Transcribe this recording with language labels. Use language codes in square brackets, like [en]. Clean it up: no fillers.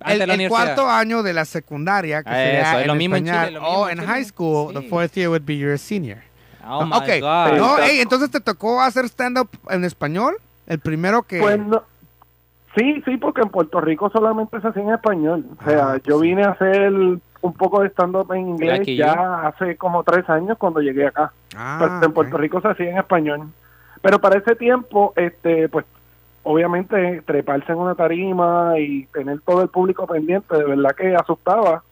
[es] El cuarto año de la secundaria, que sería lo mismo español, en Chile. En high school, sí. [en] The fourth year would be your senior. Oh, okay. God. [es] No, hey, entonces te tocó hacer stand-up en español, el primero que... Pues no. Sí, porque en Puerto Rico solamente se hacía en español. O sea, yo vine a hacer un poco de stand-up en inglés ya hace como 3 años cuando llegué acá. En Puerto Rico se hacía en español. Pero para ese tiempo, pues, obviamente, treparse en una tarima y tener todo el público pendiente, de verdad que asustaba.